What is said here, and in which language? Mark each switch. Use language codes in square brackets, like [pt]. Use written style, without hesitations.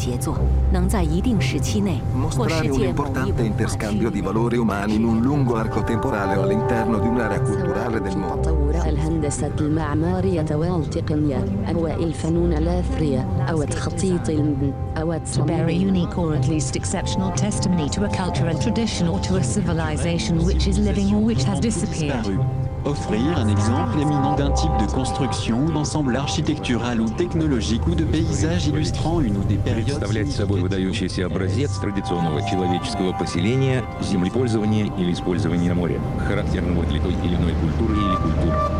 [it] Mostrare un importante interscambio di valori umani in un lungo arco temporale o all'interno di un'area culturale del mondo. [en] To bear a unique or at least exceptional testimony to a culture and tradition or to a civilization which is living or which has disappeared. [fr] Offrir un exemple éminent d'un type de construction ou d'ensemble architectural ou technologique ou de paysage illustrant une ou des périodes. [ru] Представлять собой выдающийся образец традиционного человеческого поселения, землепользования или использования моря, характерного для той или иной культуры или культур.